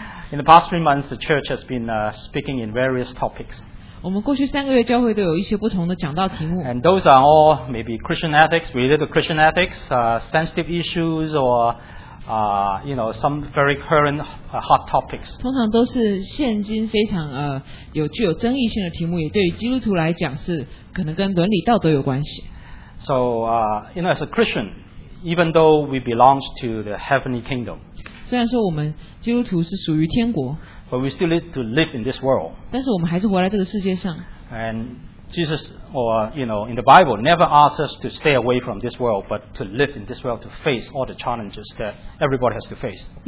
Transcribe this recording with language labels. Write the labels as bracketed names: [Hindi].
[English] In the past 3 months, the church has been speaking in various topics. And those are all maybe Christian ethics, related to Christian ethics, sensitive issues, or you know, some very current hot topics. [Chinese] 通常都是现今非常, 具有争议性的题目, 也对于基督徒来讲是, 可能跟伦理道德有关系。 [English] So, you know, as a Christian, even though we belong to the heavenly kingdom, [Chinese] 虽然说我们基督徒是属于天国, [English] but we still need to live in this world. And Jesus, or you know, in the Bible, never asks us to stay away from this world, but to live in this world, to face all the challenges that everybody has to face.